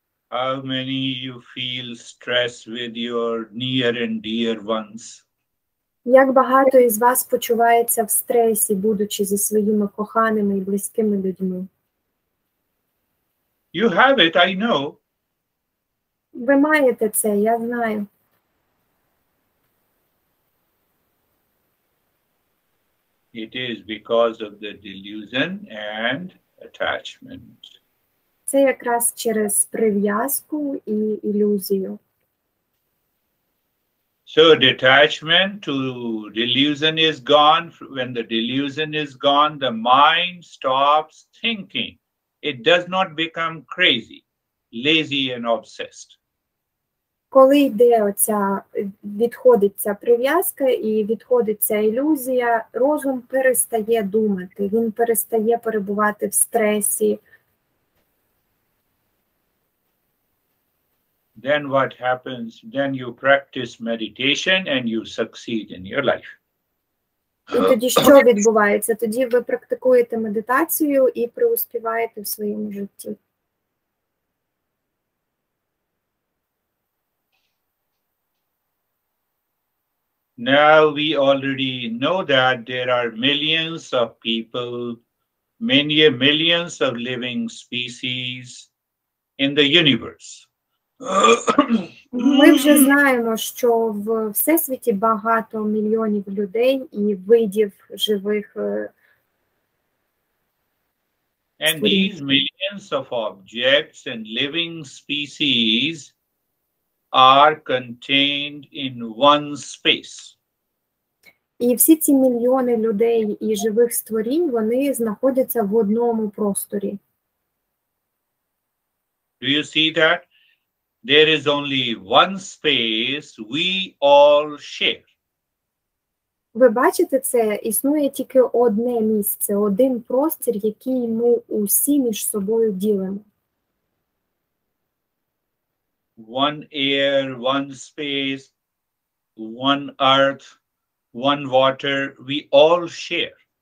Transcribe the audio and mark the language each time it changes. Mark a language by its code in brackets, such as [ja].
[en] How many you feel stress with your near and dear ones? [uk] Як багато із вас почувається в стресі, будучи зі своїми коханими і близькими людьми? [en] You have it, I know. [uk] Ви маєте це, я знаю. [en] It is because of the delusion and attachment. [uk] Це якраз через прив'язку і ілюзію. [en] So detachment to delusion is gone. When the delusion is gone, the mind stops thinking. It does not become crazy, lazy and obsessed. [uk] Коли йде оця, відходиться прив'язка і відходиться ілюзія, розум перестає думати, він перестає перебувати в стресі. [en] Then what happens? Then you practice meditation and you succeed in your life. [uk] І тоді що відбувається? Тоді ви практикуєте медитацію і преуспіваєте в своєму житті. [en] Now we already know that there are millions of people, many millions of living species in the universe. [uk] Ми вже знаємо, що в Всесвіті багато мільйонів людей і видів живих. [en] And these millions of objects and living species are contained in one space. [uk] І всі ці мільйони людей і живих створінь, вони знаходяться в одному просторі. [en] Do you see that? There is only one space we all share. [uk] Ви бачите це? Існує тільки одне місце, один простір, який ми усі між собою ділимо. [en] One air, one space, one earth, one water, we all share.